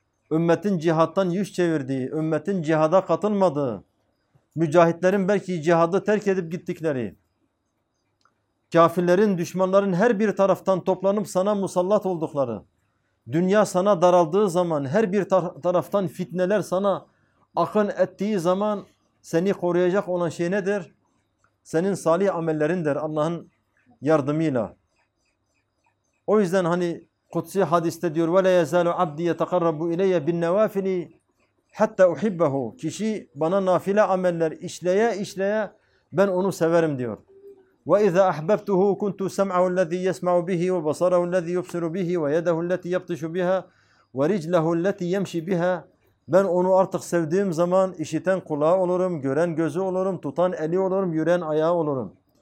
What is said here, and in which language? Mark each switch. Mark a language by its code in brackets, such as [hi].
[tr] Ümmetin cihattan yüz çevirdiği, ümmetin cihada katılmadığı, mücahitlerin belki cihadı terk edip gittikleri, kafirlerin, düşmanların her bir taraftan toplanıp sana musallat oldukları, dünya sana daraldığı zaman, her bir taraftan fitneler sana akın ettiği zaman seni koruyacak olan şey nedir? Senin salih amellerindir Allah'ın yardımıyla. O yüzden hani kutsi hadiste diyor [ar] وَلَا يَزَالُ عَبْدِي يَتَقَرَّبُ اِلَيَّ بِالنَّوَافِلِي حَتَّى اُحِبَّهُ. [tr] Kişi bana nafile ameller işleye işleye ben onu severim diyor. [ar] وَإِذَا أَحْبَبْتُهُ كُنْتُ سَمْعَهُ الَّذ۪ي يَسْمَعُ بِهِ وَبَصَرَهُ الَّذ۪ي يُبْصِرُ بِهِ وَيَدَهُ الَّتِي يَبْطِشُ بِهَا وَرِجْلَهُ الَّتِي يَمْشِي بِهَا. [tr] Ben onu artık sevdiğim zaman işiten kulağı olurum, gören gözü olurum, tutan eli olurum, yürüyen ayağı olurum.